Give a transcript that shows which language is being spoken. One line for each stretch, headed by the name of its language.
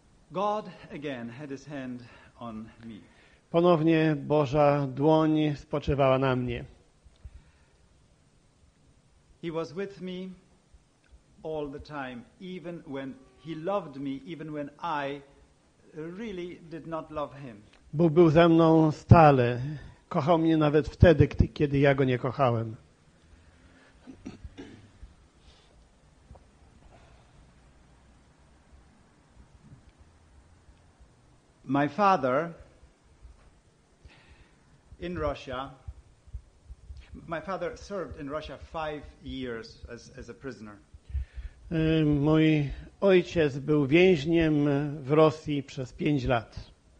English: God again had his hand on me.
Polish: Ponownie Boża dłoń spoczywała na mnie.
English: He was with me all the time, even when he loved me, even when I really did not love him.
Polish: Bóg był ze mną stale. Kochał mnie nawet wtedy, kiedy ja go nie kochałem.
English: My father in Russia. My father served in Russia 5 years as a prisoner.
Polish: Mój ojciec był więźniem w Rosji przez 5 lat.